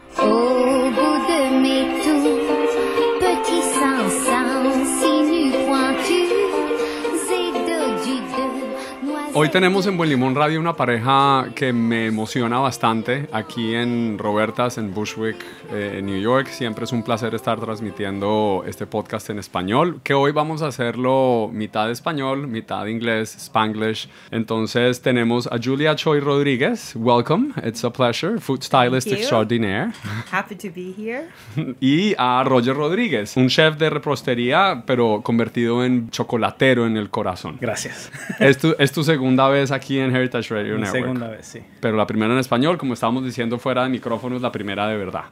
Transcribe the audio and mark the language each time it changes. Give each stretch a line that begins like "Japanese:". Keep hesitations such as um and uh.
Spanish: Au bout de mes tours, petit Sansan, sinu pointu, zédo de Hoy tenemos en Buen Limón Radio una pareja que me emociona bastante aquí en Robertas, en Bushwick, eh, en New York. Siempre es un placer estar transmitiendo este podcast en español, que hoy vamos a hacerlo mitad español, mitad inglés, spanglish. Entonces tenemos a Julia Choi Rodríguez.
English: Welcome, it's a pleasure, food stylist Thank you. extraordinaire. Happy to be here.
Spanish: y a Roger Rodríguez, un chef de repostería, pero convertido en chocolatero en el corazón. Gracias. Es tu, es tu segunda vez aquí en Heritage Radio Mi
English: Network.
Spanish: segunda vez, sí. Pero la primera en español, como estábamos diciendo fuera de micrófonos, la primera de verdad.